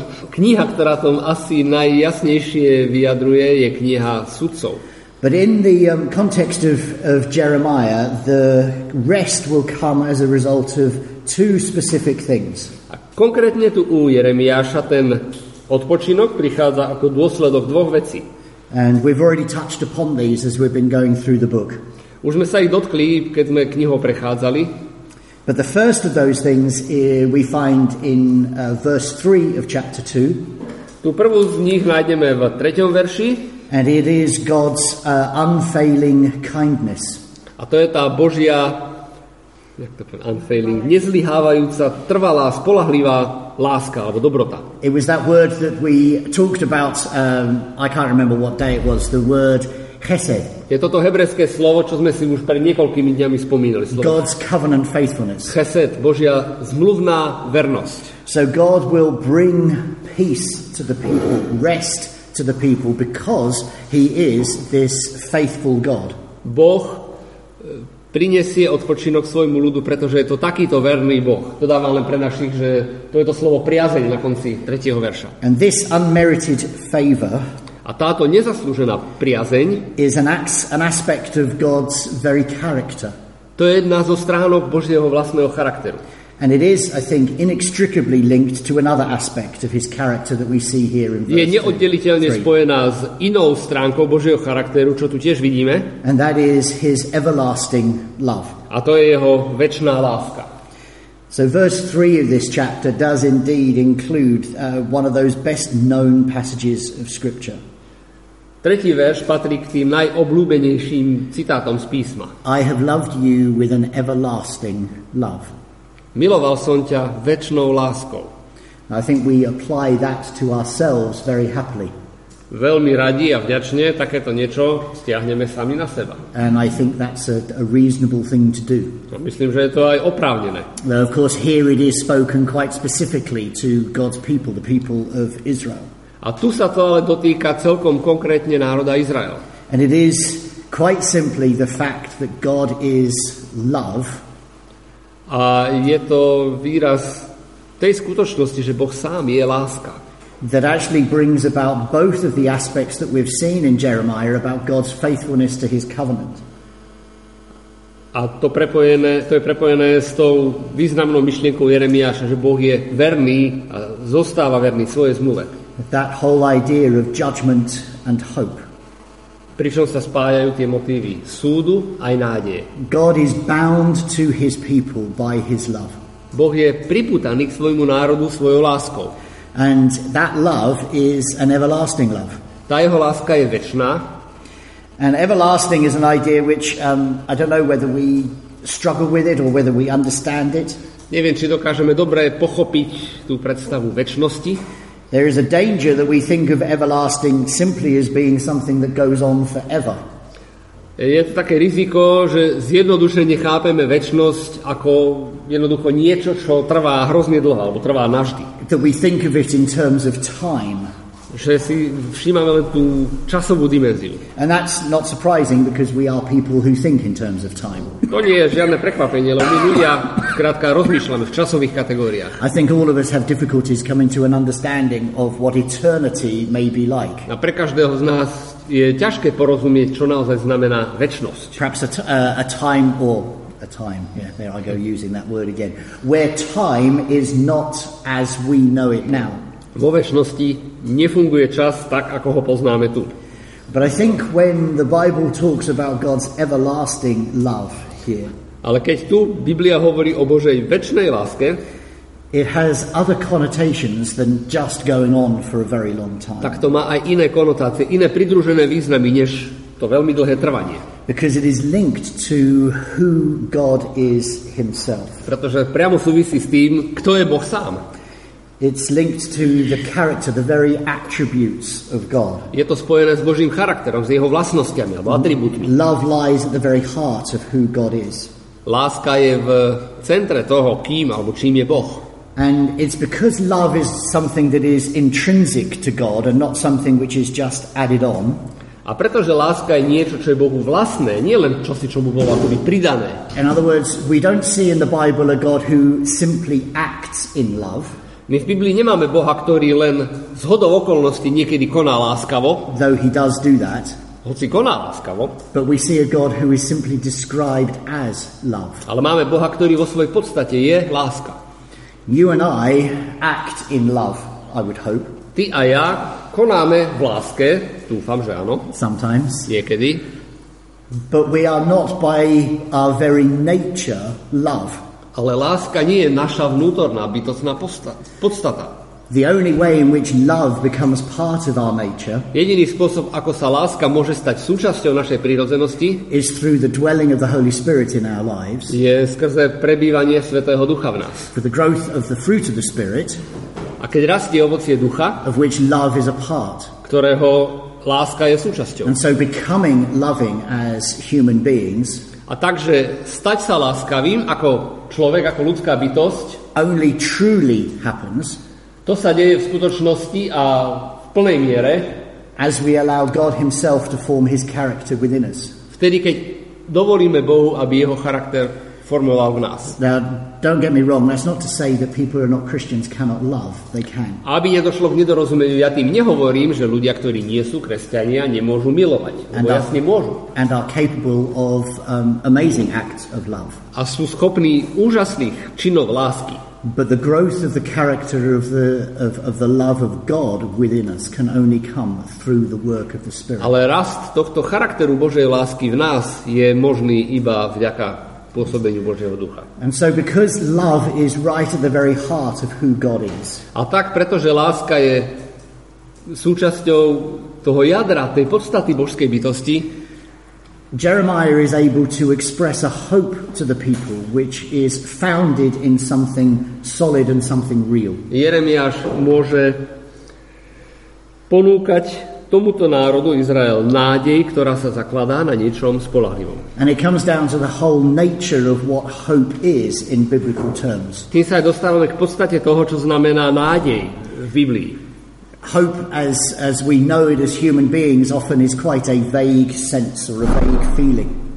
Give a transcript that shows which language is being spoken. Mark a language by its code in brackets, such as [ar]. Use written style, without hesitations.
[sk] Kniha, ktorá to asi najjasnejšie vyjadruje, je kniha Sudcov. [en] But in the context of Jeremiah, the rest will come as a result of two specific things. [sk] A konkrétne tu u Jeremiáša ten odpočinok prichádza ako dôsledok dvoch vecí. [en] And we've already touched upon these as we've been going through the book. [sk] Už sme sa ich dotkli, keď sme knihou prechádzali. [en] But the first of those things we find in verse 3 of chapter 2. [sk] Tú prvú z nich nájdeme v 3. verši. [en] And it is God's unfailing kindness. [sk] A to je tá Božia, jak to poviem, unfailing, nezlyhávajúca, trvalá, spoľahlivá láska alebo dobrota. [en] It was that word that we talked about, I can't remember what day it was, the word chesed. [sk] Je to to hebrejské slovo, čo sme si už pred niekoľkými dňami spomínali. Slovo. [en] God's covenant faithfulness. [sk] Chesed, Božia zmluvná vernosť. [en] So God will bring peace to the people, rest to the people because he is this faithful God. [sk] Boh prinesie odpočinok svojmu ľudu, pretože je to takýto verný Boh. Dodávam len pre našich, že to je to slovo priazeň na konci 3. verša. [en] And this unmerited favor, [sk] a táto nezaslúžená priazeň, [en] is an aspect of God's very character. [sk] To je jedna zo stránok Božieho vlastného charakteru. [en] And it is, I think, inextricably linked to another aspect of his character that we see here in verse [sk] 3. Je neoddeliteľne spojená s inou stránkou Božieho charakteru, čo tu tiež vidíme. [en] And that is his everlasting love. [sk] A to je jeho večná láska. [en] So verse 3 of this chapter does indeed include one of those best known passages of scripture. [sk] Tretí verš patrí k tým najobľúbenejším citátom z písma. [en] I have loved you with an everlasting love. [sk] Miloval som ťa večnou láskou. [en] I think we apply that to ourselves very happily. [sk] Veľmi radi a vďačne takéto niečo stiahneme sami na seba. [en] And I think that's a reasonable thing to do. [sk] A myslím, že je to aj oprávnené. [en] Now of course here it is spoken quite specifically to God's people, the people of Israel. [sk] A tu sa to ale dotýka celkom konkrétne národa Izrael. [en] And it is quite simply the fact that God is love. [sk] A je to výraz tej skutočnosti, že Boh sám je láska. [en] That actually brings about both of the aspects that we've seen in Jeremiah about God's faithfulness to his covenant. [sk] A to je prepojené s tou významnou myšlienkou Jeremiáša, že Boh je verný a zostáva verný svojej zmluve. [en] That whole idea of judgment and hope. [sk] Pričom sa spájajú tie motívy súdu aj nádeje. [en] God is bound to his people by his love. [sk] Boh je pripútaný k svojmu národu svojou láskou. [en] And that love is an everlasting love. [sk] Tá jeho láska je večná. [en] And everlasting is an idea which I don't know whether we struggle with it or whether we understand it. [sk] Neviem, či dokážeme dobre pochopiť tú predstavu večnosti. [en] There is a danger that we think of everlasting simply as being something that goes on forever. [sk] Je to také riziko, že zjednodušene chápeme večnosť ako jednoducho niečo, čo trvá hrozne dlho, alebo trvá navždy. [en] That we think of it in terms of time. [sk] Že si všímame len tú časovú dimenziu. [en] And that's not surprising because we are people who think in terms of time. [sk] To nie je žiadne prekvapenie, lebo my ľudia krátka rozmýšľame v časových kategóriách. [en] I think all of us have difficulties coming to an understanding of what eternity may be like. [sk] A pre každého z nás je ťažké porozumieť, čo naozaj znamená večnosť. [en] Perhaps a time, yeah, there I go using that word again, where time is not as we know it now. [sk] Vo večnosti nefunguje čas tak, ako ho poznáme tu. [en] But I think when the Bible talks about God's everlasting love here, [sk] ale keď tu Biblia hovorí o Božej večnej láske, [en] it has other connotations than just going on for a very long time. [sk] Tak to má aj iné konotácie, iné pridružené významy, než to veľmi dlhé trvanie. [en] Because it is linked to who God is himself. [sk] Pretože priamo súvisí s tým, kto je Boh sám. [en] It's linked to the character, the very attributes of God. [sk] Je to spojené s Božím charakterom, s jeho vlastnosťami alebo atribútmi. [en] Love lies at the very heart of who God is. [sk] Láska je v centre toho, kým alebo čím je Boh. [en] And it's because love is something that is intrinsic to God and not something which is just added on. [sk] A pretože láska je niečo, čo je Bohu vlastné, nie len čosi, čo mu bolo akoby pridané. [en] In other words, we don't see in the Bible a God who simply acts in love. [sk] My v Biblii nemáme Boha, ktorý len zhodou okolností niekedy koná láskavo. [en] Though he does do that. [sk] Hoci koná láskavo. [en] But we see a God who is simply described as love. [sk] Ale máme Boha, ktorý vo svojej podstate je láska. [en] You and I act in love, I would hope. [sk] Ty a ja konáme v láske, dúfam, že áno. [en] Sometimes. [sk] Niekedy. [en] But we are not by our very nature love. [sk] Ale láska nie je naša vnútorná bytostná podstata. [en] The only way in which love becomes part of our nature. [sk] Jediný spôsob, ako sa láska môže stať súčasťou našej prírodzenosti, [en] is through the dwelling of the Holy Spirit in our lives. [sk] Je skrze prebývanie Svätého Ducha v nás. [en] For the growth of the fruit of the Spirit. [sk] A keď rastie ovocie Ducha, [en] of which love is a part. [sk] Ktorého láska je súčasťou. [en] And so becoming loving as human beings. [sk] A takže stať sa láskavým ako človek, ako ľudská bytosť, [en] only truly happens, [sk] to sa deje v skutočnosti a v plnej miere, [en] as we allow God himself to form his character within us. [sk] Vtedy, keď dovolíme Bohu, aby jeho charakter formoval v nás. [en] Now, don't get me wrong, that's not to say that people who are not Christians cannot love. They can. [sk] Aby nedošlo k nedorozumeniu, ja tým nehovorím, že ľudia, ktorí nie sú kresťania, nemôžu milovať. Lebo jasne môžu. [en] And are capable of amazing acts of love. [sk] A sú schopní úžasných činov lásky. [en] But the growth of the character of the love of God within us can only come through the work of the Spirit. [sk] Ale rast tohto charakteru Božej lásky v nás je možný iba vďaka pôsobeniu Božieho ducha. [en] And so because love is right at the very heart of who God is. [sk] A tak pretože láska je súčasťou toho jadra, tej podstaty božskej bytosti, [en] Jeremiah is able to express a hope to the people which is founded in something solid and something real. [sk] Jeremiáš môže ponúkať tomuto národu Izrael nádej, ktorá sa zakladá na niečom spoľahlivom. [en] And it comes down to the whole nature of what hope is in biblical terms. [sk] Tým sa dostávame k podstate toho, čo znamená nádej v Biblii. [en] Hope, as we know it as human beings, often is quite a vague sense or a vague feeling.